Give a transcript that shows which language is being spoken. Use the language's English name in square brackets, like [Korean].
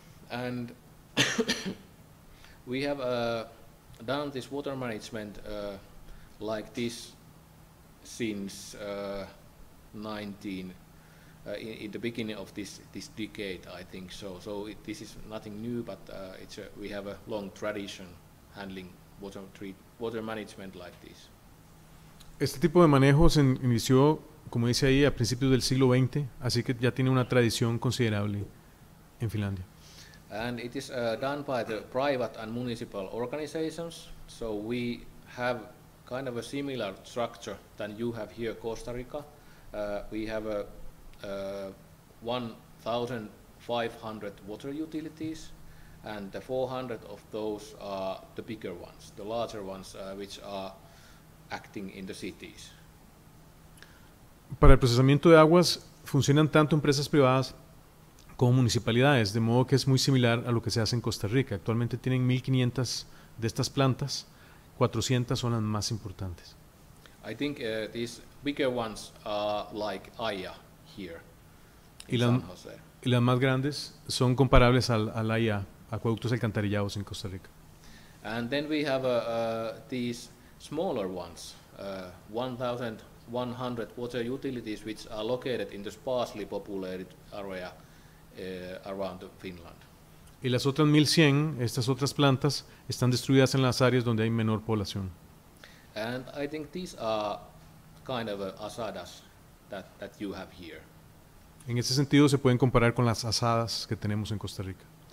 [English] And we have done this water management like this since 19 in the beginning of this decade, I think so. So it, this is nothing new, but it's a, we have a long tradition handling water management like this. [Spanish] Este tipo de manejo se inició, como dice ahí, a principios del siglo XX, así que ya tiene una tradición considerable en Finlandia. [English] And it is done by the private and municipal organizations, so we have kind of a similar structure than you have here in Costa Rica. We have 1,500 water utilities, and the 400 of those are the bigger ones, the larger ones which are acting in the cities. [Spanish] Para el procesamiento de aguas funcionan tanto empresas privadas como municipalidades, de modo que es muy similar a lo que se hace en Costa Rica. Actualmente tienen 1,500 de estas plantas, 400 son las más importantes. [English] I think these bigger ones are like AIA here in San Jose. [Spanish] Y las más grandes son comparables al AIA, acueductos alcantarillados en Costa Rica. [English] And then we have these smaller ones, 1,100 water utilities, which are located in the sparsely populated area around Finland. [Spanish] Y las otras 1,100, estas otras plantas, están distribuidas en las áreas donde hay menor población. [English] And I think these are kind of asadas that you have here. [Spanish] En ese sentido, se pueden comparar con las asadas que tenemos en Costa Rica.